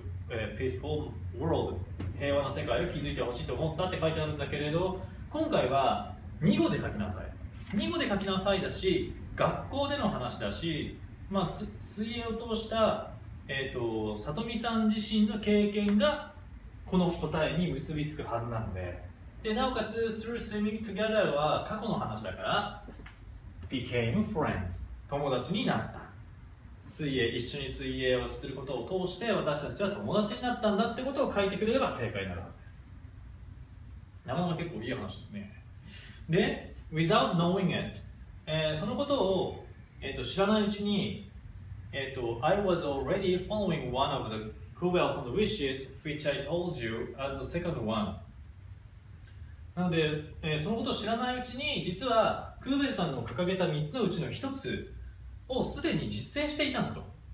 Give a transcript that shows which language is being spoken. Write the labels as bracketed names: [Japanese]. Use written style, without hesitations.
[English] a peaceful world、 [Japanese] 平和な世界を築いてほしいと思ったって書いてあるんだけれど、今回は2語で書きなさい、2語で書きなさいだし、学校での話だし、まあ、水泳を通した、里見さん自身の経験がこの答えに結びつくはずなの で、なおかつ [English] through swimming together [Japanese] は過去の話だから [English] became friends、 [Japanese] 友達になった、水泳、一緒に水泳をすることを通して私たちは友達になったんだってことを書いてくれれば正解になるはずです。なかなか結構いい話ですね。 [English] で、without knowing it、 [Japanese] そのことを、知らないうちに、 [English] I was already following one of the Kubelton's wishes which I told you as the second one。 [Japanese] なので、そのことを知らないうちに、実はクーベルタンの掲げた3つのうちの1つをすでに実践していたんだと。